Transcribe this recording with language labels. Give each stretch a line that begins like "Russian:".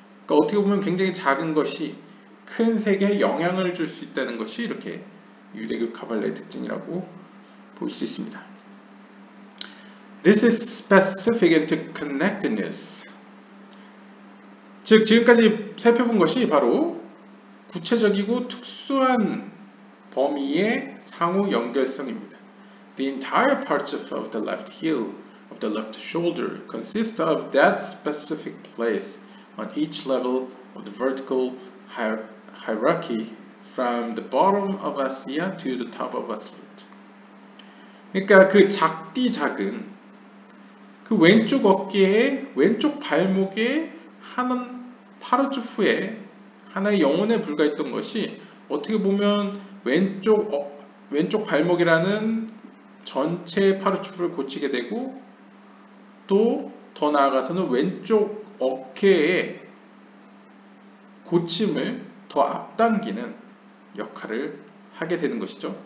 Korean: 그러니까 어떻게 보면 굉장히 작은 것이 큰 세계에 영향을 줄 수 있다는 것이 이렇게 유대교 카발라의 특징이라고 볼 수 있습니다.
English: This is specific into connectedness.
Korean: 즉 지금까지 살펴본 것이 바로 구체적이고 특수한 범위의 상호 연결성입니다.
English: The entire parts of the left heel of the left shoulder consist of that specific place on each level of the vertical hierarchy from the bottom of Asiya to the top of Asiut.
Korean: 그러니까 그 작디 작은 그 왼쪽 어깨에 왼쪽 발목에 한 파르주 후에 하나의 영혼에 불과했던 것이 어떻게 보면 왼쪽 발목이라는 전체 파르주 후를 고치게 되고 또 더 나아가서는 왼쪽 어깨에 고침을 더 앞당기는 역할을 하게 되는 것이죠.